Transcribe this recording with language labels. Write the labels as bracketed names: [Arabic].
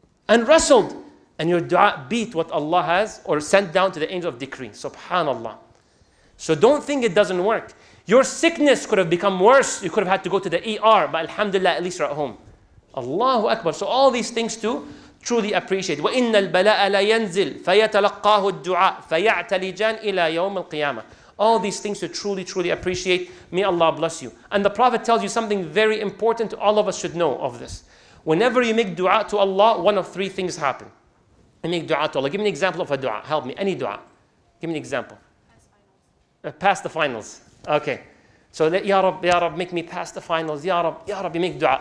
[English] And your dua beat what Allah has or sent down to the angel of decree. Subhanallah. So don't think it doesn't work. Your sickness could have become worse. You could have had to go to the ER, but alhamdulillah, at least you're at home. Allahu Akbar. So all these things to truly appreciate. [Arabic] وَإِنَّ الْبَلَاءَ لَيَنْزِلْ فَيَتَلَقَّاهُ الدُّعَاءُ فَيَعْتَلِجَانْ إِلَى يَوْمِ الْقِيَامَةِ [English] All these things to truly, truly appreciate. May Allah bless you. And the Prophet tells you something very important. All of us should know of this. Whenever you make dua to Allah, one of three things happen. You make dua to Allah. Give me an example of a dua. Help me. Any dua. Give me an example. Pass the finals. Okay. So, Ya Rab, make me pass the finals. Ya Rab, you make dua.